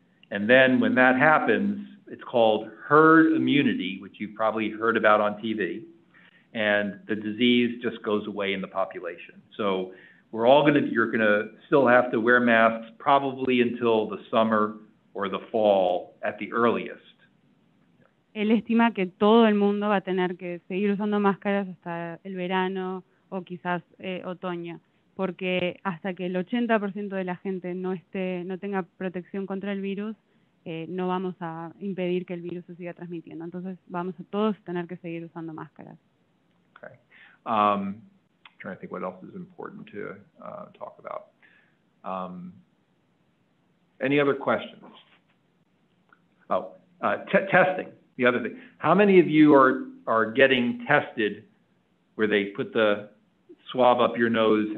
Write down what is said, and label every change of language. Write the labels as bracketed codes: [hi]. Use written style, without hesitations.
[en] And then when that happens, it's called herd immunity, which you've probably heard about on TV, and the disease just goes away in the population. So we're all going to, you're going to still have to wear masks probably until the summer or the fall at the earliest. [es] Él estima que todo el mundo va a tener que seguir usando máscaras hasta el verano o quizás otoño, porque hasta que el 80% de la gente no tenga protección contra el virus, no vamos a impedir que el virus se siga transmitiendo. Entonces, vamos a todos tener que seguir usando máscaras. [en] Okay. Trying to think what else is important to talk about. Any other questions? Testing, the other thing. How many of you are getting tested where they put the swab up your nose?